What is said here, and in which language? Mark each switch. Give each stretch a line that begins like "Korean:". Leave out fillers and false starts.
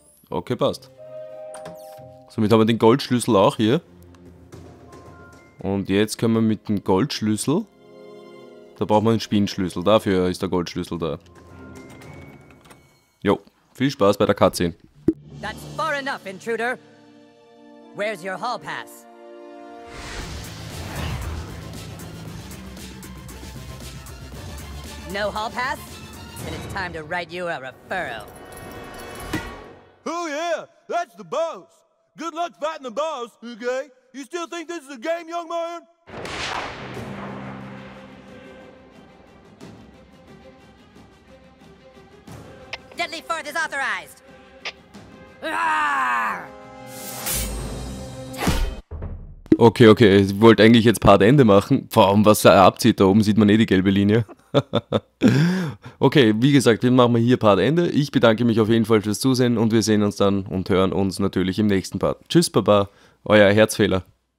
German: Okay, passt. Somit haben wir den Goldschlüssel auch hier. Und jetzt können wir mit dem Goldschlüssel. Da brauchen wir einen Spinnschlüssel, dafür ist der Goldschlüssel da. Jo, viel Spaß bei der Cutscene.
English: That's far enough, Intruder. Where's your hall pass? No hall pass? Then it's time to write you a referral. Oh yeah, that's the boss. Good luck fighting the boss, okay? You still think this is a game, young man? Deadly Forth is authorized.
German: Okay, okay, ich wollte eigentlich jetzt Part Ende machen. Vor allem, was er abzieht, da oben sieht man eh die gelbe Linie. Okay, wie gesagt, wir machen hier Part Ende. Ich bedanke mich auf jeden Fall fürs Zusehen und wir sehen uns dann und hören uns natürlich im nächsten Part. Tschüss, Baba, euer Herzfehler.